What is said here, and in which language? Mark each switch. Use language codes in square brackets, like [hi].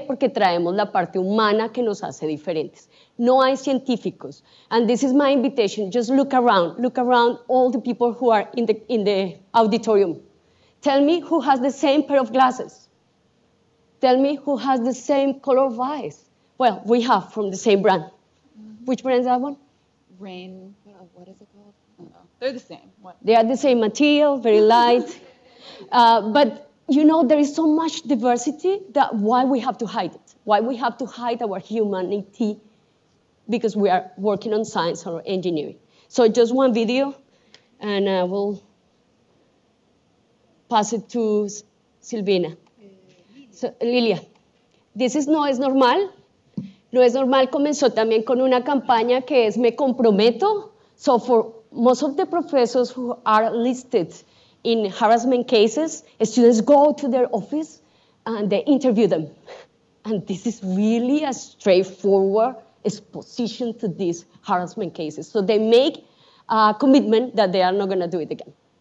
[es] Porque traemos la parte humana que nos hace diferentes. No hay científicos. [en] And this is my invitation. Just look around. Look around all the people who are in the auditorium. Tell me who has the same pair of glasses. Tell me who has the same color of eyes. Well, we have from the same brand. Mm-hmm. Which brand is that one? Rain. What is it called? I don't know. They're the same. What? They are the same material, very light. but, you know, there is so much diversity that why we have to hide it? Why we have to hide our humanity? Because we are working on science or engineering. So just one video, and I will pass it to Silvina. So, Lilia, this is No es normal. [es] No es normal comenzó también con una campaña que es Me comprometo. [en] So for most of the professors who are listed in harassment cases, students go to their office and they interview them. And this is really a straightforward exposition to these harassment cases. So they make a commitment that they are not going to do it again.